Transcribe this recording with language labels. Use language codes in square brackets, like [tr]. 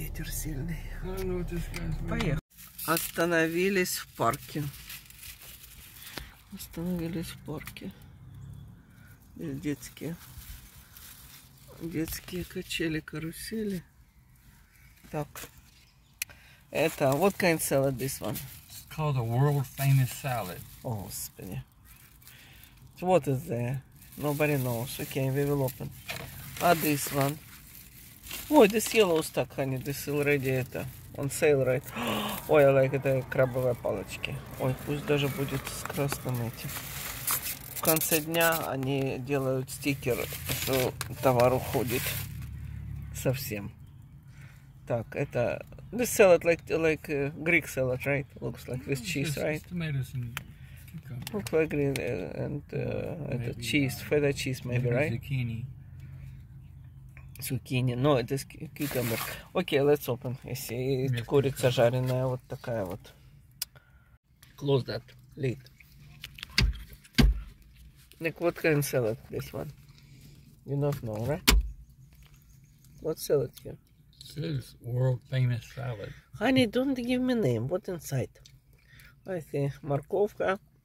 [ru] Сильный. Поехали. Остановились в парке. Здесь детские качели, карусели. Так, это [en] what kind of salad this one? It's called a world famous salad. [ru] О, господи. [en] So what is there? Nobody knows. Okay, we will open. А this one? Ой, this yellow stuck, honey, this already это. On sale, right? [ru] Ой, [en] oh, I like [ru] это крабовые палочки. Ой, пусть даже будет с красным этим. конце дня они делают стикер, что товар уходит совсем. Так, это... [en] This salad like Greek salad, right? Looks like with cheese, right? Tomatoes and cucumber. Looks like green and maybe, cheese, feta cheese maybe, right? Zucchini. Zucchini. No, it is cucumber. Okay, let's open. I see. [ru] Курица жареная, вот такая вот. [en] Close that lid. Nick, what kind of salad this one? You don't know, right? What salad here? This is world famous salad. Honey, don't give me name. What inside? I see. Морковка.